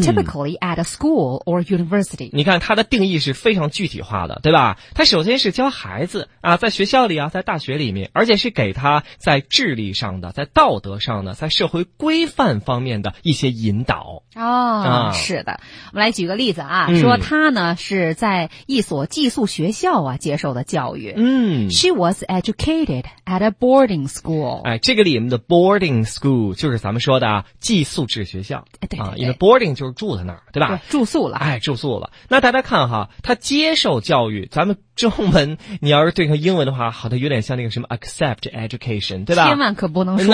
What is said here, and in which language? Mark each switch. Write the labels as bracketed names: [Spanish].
[English] typically at a school or university. [Chinese] 你看它的定义是非常具体化的，对吧？它首先是教孩子啊，在学校里啊，在大学里面，而且是给他在智力上的、在道德上的、在社会规范方面的一些引导。哦，啊、是的，我们来举个例子啊。说他呢是在一所寄宿学校啊接受的教育。嗯 [English] ，She was educated at a boarding school。 [Chinese] 哎，这个里面的 boarding school 就是咱们说的寄宿制学校。哎、对, 对, 对啊，因为 boarding 就是住在那儿，对吧？住宿了，哎，住宿了。那大家看哈，他接受教育，咱们中文你要是对上英文的话，好像有点像那个什么 [English] accept education， [Chinese] 对吧？千万可不能说